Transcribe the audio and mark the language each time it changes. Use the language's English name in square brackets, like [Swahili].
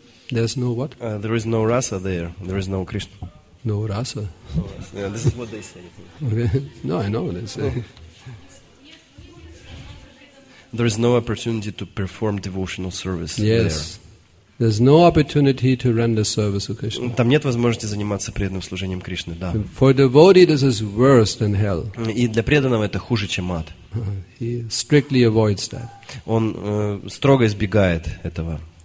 [English] There's no what? There is no rasa there. There is no Krishna. No rasa. Yeah, this is what they say. Okay. No, I know what they say. There is no opportunity to perform devotional service yes. there. There's no opportunity to render service to Krishna. [Russian] Там нет возможности заниматься преданным служением Кришны, да. [English] For the devotee, this is worse than hell. [Russian] И для преданного это хуже, чем ад. [English] He strictly avoids that. [Russian] Он строго избегает этого.